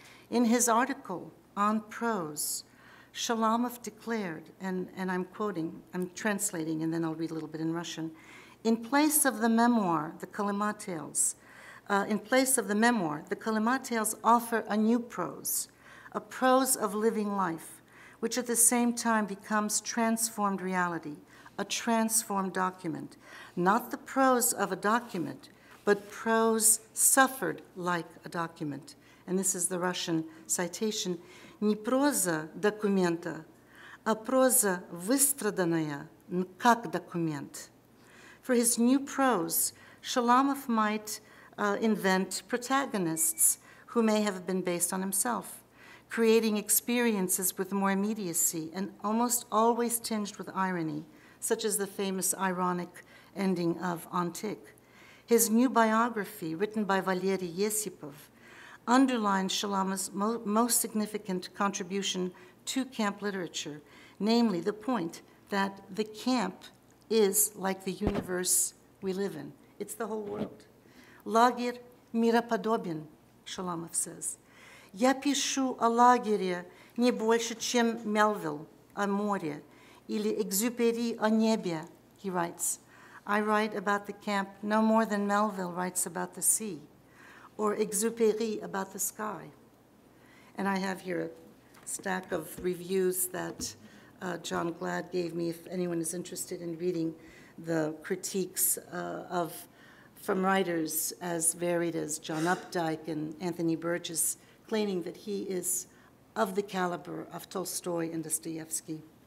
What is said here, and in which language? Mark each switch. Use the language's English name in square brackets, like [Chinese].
[English] In his article on prose, Shalamov declared, and I'm quoting, I'm translating and then I'll read a little bit in Russian, in place of the memoir, the Kalima Tales, offer a new prose, a prose of living life, which at the same time becomes transformed reality, a transformed document, not the prose of a document, but prose suffered like a document. And this is the Russian citation. [Russian] Не проза документа, а проза выстраданная как документ. [English] For his new prose, Shalamov might invent protagonists who may have been based on himself, creating experiences with more immediacy and almost always tinged with irony, such as the famous ironic ending of Antique. His new biography, written by Valery Yesipov, underlines Shalama's most significant contribution to camp literature, namely the point that the camp is like the universe we live in. It's the whole world. [Russian] Lager miropodobien, [English] Shalamov says. [Russian] Я пишу о лагере не больше, чем Мелвилл о море, или Экзюпери о небе, [English] he writes. I write about the camp no more than Melville writes about the sea, or Exupéry about the sky. And I have here a stack of reviews that John Glad gave me, if anyone is interested in reading the critiques from writers as varied as John Updike and Anthony Burgess, claiming that he is of the caliber of Tolstoy and Dostoevsky.